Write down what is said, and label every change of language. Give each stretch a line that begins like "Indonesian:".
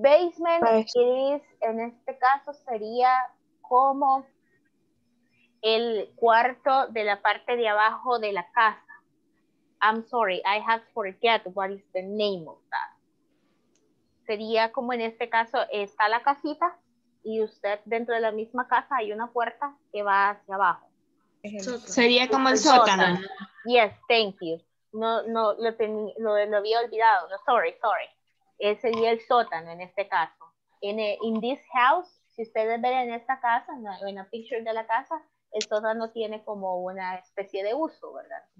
Spanish: Basement is, en este caso, sería como el cuarto de la parte de abajo de la casa.
English: I'm sorry, I have forget what is the name of that.
Spanish: Sería como en este caso, está la casita y usted dentro de la misma casa hay una puerta que va hacia abajo. Sería como el sótano.
English: Yes, thank you. No,
Spanish: lo había olvidado.
English: No, sorry.
Spanish: Ese sería el sótano en este caso.
English: In this house,
Spanish: si ustedes ven en esta casa, en la picture de la casa, el sótano tiene como una especie de uso, ¿verdad?